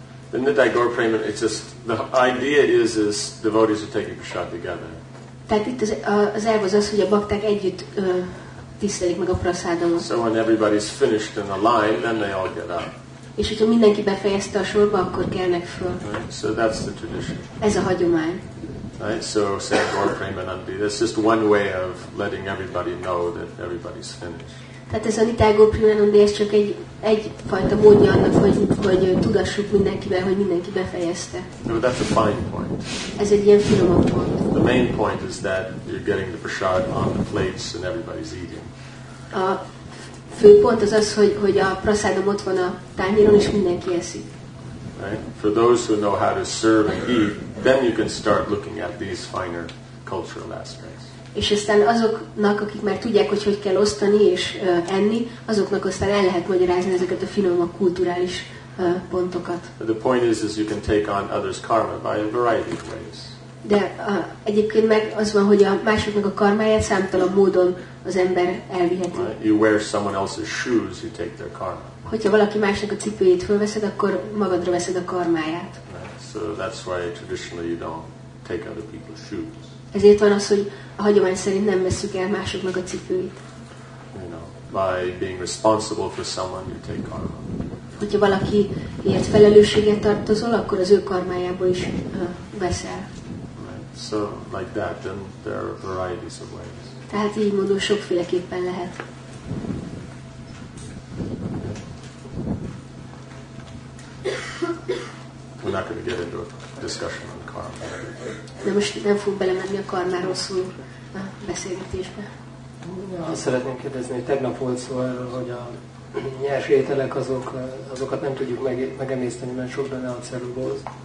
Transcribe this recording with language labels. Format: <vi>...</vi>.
<en>The Nitai Gaur Premanandi, it's just, the idea is devotees are taking prasad together.</en> <hu>Tehát itt az elv az az, hogy a bakták együtt tisztelik meg a prasadamot.</hu> <en>So when everybody's finished in the line, then they all get up.</en> <hu>És hogyha mindenki befejezte a sorba, akkor kelnek föl.</hu> <en>Right, so that's the tradition.</en> <hu>Ez a hagyomány.</hu> <en>Right, so say Gaur Premanandi. That's just one way of letting everybody know that everybody's finished.</en> <hu>Tehát ez a Nitai Gaur Premanandi, ez csak egyfajta módja annak, hogy tudassuk mindenkivel, hogy mindenki befejezte.</hu> <en>No, that's a fine point.</en> <hu>Ez egy ilyen finomabb pont.</hu> <en>The main point is that you're getting the prasad on the plates and everybody's eating.</en> <hu>A fő pont az az, hogy a prasadom ott van a tányéron, és mindenki eszik.</hu> <en>Right? For those who know how to serve and eat, then you can start looking at these finer cultural aspects.</en> <hu>És aztán azoknak, akik már tudják, hogy kell osztani és enni, azoknak aztán el lehet magyarázni ezeket a finomabb kulturális pontokat.</hu> <en>But the point is you can take on others' karma by a variety of ways.</en> <hu>De egyébként meg az van, hogy a másoknak a karmáját számtalan módon az ember elviheti.</hu> <en>You wear someone else's shoes, you take their karma.</en> <hu>Hogyha valaki másnak a cipőjét fölveszed, akkor magadra veszed a karmáját.</hu> <en>So that's why traditionally you don't take other people's shoes.</en> <hu>Ezért van az, hogy a hagyomány szerint nem veszük el másoknak a cipőit.</hu> <en>You know, by being responsible for someone, you take karma.</en> <hu>Hogyha valakiért felelősséget tartozol, akkor az ő karmájából is veszel.</hu> <en>So like that, then there are varieties of ways.</en> <hu>Tehát így módon sokféleképpen lehet.</hu> <en>We're not going to get into a discussion on karma.</en> <hu>De most nem fog belemenni a karmáról szóló beszélgetésbe. Azt szeretném kérdezni, hogy tegnap volt szó erről, hogy a nyers ételek azokat nem tudjuk megemészteni, mert sok benne a celluloz.</hu>